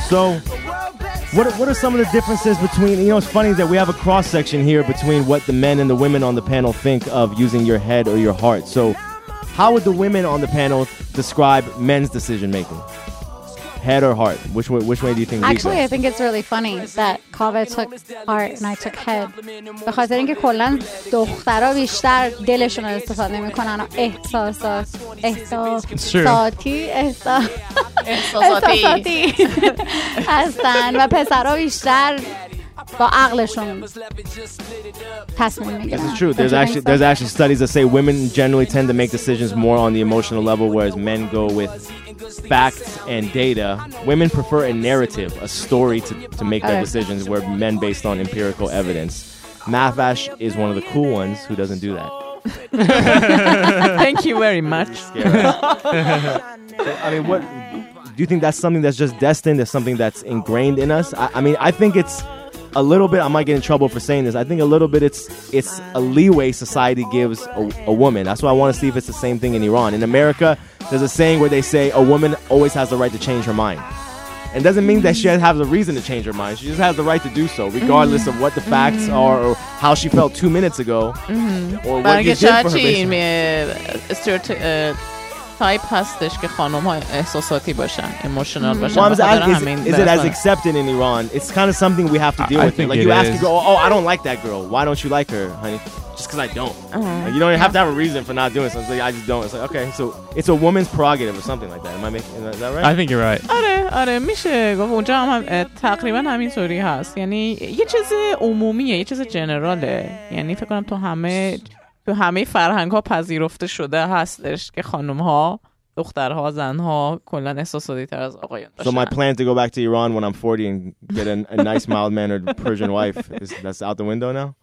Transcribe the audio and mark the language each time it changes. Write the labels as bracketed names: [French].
[English] So, what are some of the differences between, you know, it's funny that we have a cross section here between what the men and the women on the panel think of using your head or your heart. So how would the women on the panel describe men's decision making? Head or heart? Which way do you think? Actually, I think it's really funny that Kaveh took heart and I took head. Because I think [Persian] کلاً دخترها بیشتر دلشون رو استفاده میکنن و احساساتی هستن و پسرها بیشتر با عقلشون تصمیم میگیرن. [English] This is true. There's actually studies that say women generally tend to make decisions more on the emotional level, whereas men go with facts and data. Women prefer a narrative, a story to make their decisions, where men based on empirical evidence. Mathvash is one of the cool ones who doesn't do that. Thank you very much. I mean, what do you think? That's something that's just destined, that's something that's ingrained in us. I mean, I think it's a little bit, I might get in trouble for saying this, I think a little bit it's a leeway society gives a woman. That's why I want to see if it's the same thing in Iran. In America, there's a saying where they say a woman always has the right to change her mind. And it doesn't mean that she has a reason to change her mind. She just has the right to do so, regardless of what the facts are or how she felt 2 minutes ago. Or what you did for her basement. [Persian] تایپ هستش که خانم ها احساساتی باشن ایموشنال باشن. [English] Well, is it as accepted in Iran? It's kind of something we have to deal with. Like you ask a girl, oh, I don't like that girl. Why don't you like her, honey? Just because I don't. Like, you don't have to have a reason for not doing something. I just don't. It's like, okay, so it's a woman's prerogative or something like that. Am I making, is that right? I think you're right. [Persian] آره میشه گفت اونجا هم تقریبا همینطوری هست. یعنی یه چیز عمومیه، یه چیز جنراله. یعنی فکر کنم تو همه فرهنگ ها پذیرفته شده هستش که خانم ها، دخترها، زن ها کلا احساساتی تر از آقایان باشن. [English] So my plan to go back to Iran when I'm 40 and get a nice mild mannered Persian wife is that's out the window now?